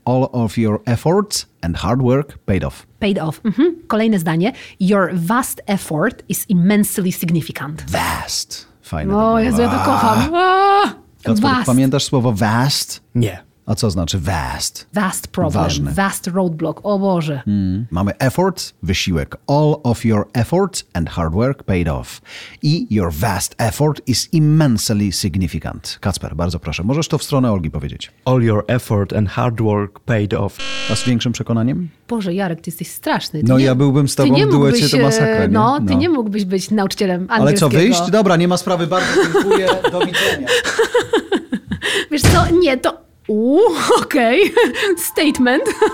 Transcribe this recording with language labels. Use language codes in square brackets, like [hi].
[en] All of your efforts and hard work paid off. Paid off. [pl] Mhm. Kolejne zdanie. [en] Your vast effort is immensely significant. [pl] Vast. Fajne. O, Jezu, ja to kocham. Kacper, pamiętasz słowo vast? Nie. A co znaczy vast? [en] Vast problem. [pl] Ważny. [en] Vast roadblock. [pl] O Boże. Mm. Mamy effort, wysiłek. [en] All of your efforts and hard work paid off. I your vast effort is immensely significant. [pl] Kacper, bardzo proszę. Możesz to w stronę Olgi powiedzieć. [en] All your effort and hard work paid off. [pl] A z większym przekonaniem? Boże, Jarek, ty jesteś straszny. Ty no nie, ja byłbym z tobą w duecie, to masakra. No, ty no. Nie mógłbyś być nauczycielem angielskiego. Ale co, wyjść? Dobra, nie ma sprawy. Bardzo dziękuję. Do widzenia. Wiesz co, nie, to... okej. Okay. Statement.